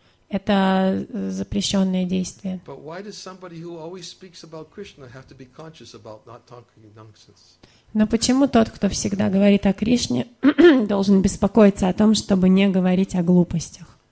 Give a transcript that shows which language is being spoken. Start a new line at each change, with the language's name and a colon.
Russian: Это запрещенное действие.
English: But why does somebody who always speaks about Krishna have to be conscious about not talking nonsense?
Russian: Но почему тот, кто всегда говорит о Кришне, должен беспокоиться о том, чтобы не говорить о глупостях?